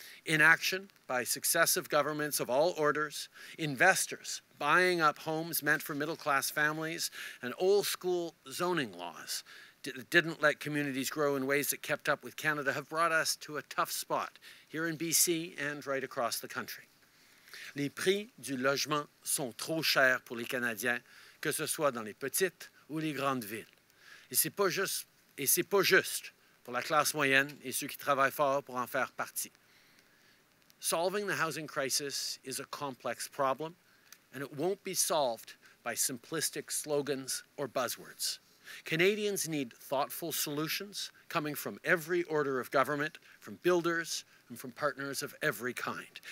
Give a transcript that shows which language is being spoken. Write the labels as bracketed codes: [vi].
[en] Inaction by successive governments of all orders, investors buying up homes meant for middle-class families, and old-school zoning laws that didn't let communities grow in ways that kept up with Canada have brought us to a tough spot here in BC and right across the country. [fr] Les prix du logement sont trop chers pour les Canadiens, que ce soit dans les petites ou les grandes villes. Et c'est pas juste pour la classe moyenne et ceux qui travaillent fort pour en faire partie. [en] Solving the housing crisis is a complex problem, and it won't be solved by simplistic slogans or buzzwords. Canadians need thoughtful solutions coming from every order of government, from builders, and from partners of every kind.